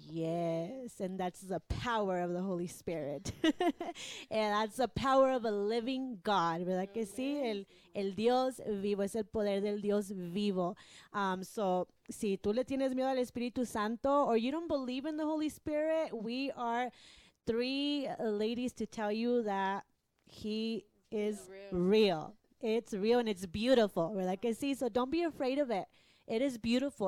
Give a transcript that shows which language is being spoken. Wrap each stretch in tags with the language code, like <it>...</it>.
<en>Yes, and that's the power of the Holy Spirit. And that's the power of a living God, ¿verdad que sí?</en> <es>El Dios vivo, es el poder del Dios vivo.</es> <en>So,</en> <es>si tú le tienes miedo al Espíritu Santo,</es> <en>or you don't believe in the Holy Spirit, we are three ladies to tell you that He is real. It's real and it's beautiful, ¿verdad que sí? So don't be afraid of it. It is beautiful.</en>